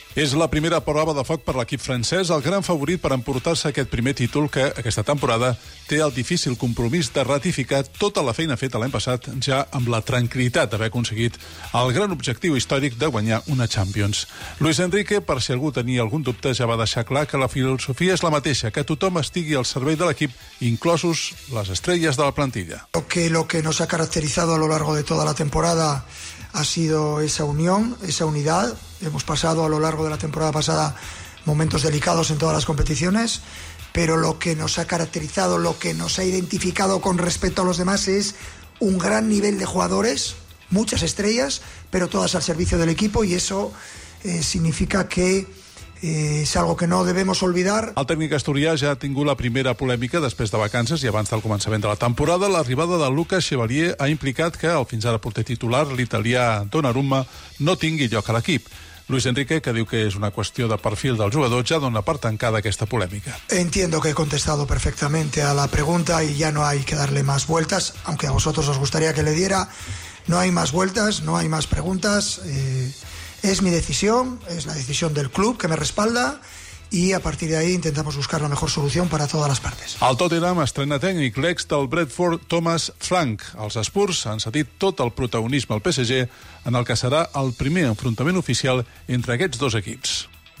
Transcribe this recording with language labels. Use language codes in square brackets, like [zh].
[ca] És la primera prova de foc per l'equip francès, el gran favorit per emportar-se aquest primer títol que, aquesta temporada, té el difícil compromís de ratificar tota la feina feta l'any passat ja amb la tranquil·litat d'haver aconseguit el gran objectiu històric de guanyar una Champions. Luis Enrique, per si algú tenia algun dubte, ja va deixar clar que la filosofia és la mateixa, que tothom estigui al servei de l'equip, inclosos les estrelles de la plantilla. [es] Lo que nos ha caracterizado a lo largo de toda la temporada ha sido esa unión, esa unidad. Hemos pasado a lo largo de la temporada pasada momentos delicados en todas las competiciones, pero lo que nos ha caracterizado, lo que nos ha identificado con respecto a los demás es un gran nivel de jugadores, muchas estrellas, pero todas al servicio del equipo, y eso significa que és algo que no debemos olvidar. [ca] El tècnic asturià ja ha tingut la primera polèmica després de vacances i abans del començament de la temporada. L'arribada de Lucas Chevalier ha implicat que el fins ara porter titular, l'italià Donnarumma, no tingui lloc a l'equip. Luis Enrique, que diu que és una qüestió de perfil del jugador, ja dona per tancada aquesta polèmica. [es] Entiendo que he contestado perfectamente a la pregunta y ya no hay que darle más vueltas, aunque a vosotros os gustaría que le diera. No hay más vueltas, no hay más preguntas. Es mi decisión, es la decisión del club que me respalda y a partir de ahí intentamos buscar la mejor solución para todas las partes. [ca] El Tottenham estrena tècnic, l'ex del Bradford, Thomas Frank. Els Spurs han cedit tot el protagonisme al PSG en el que serà el primer enfrontament oficial entre aquests dos equips.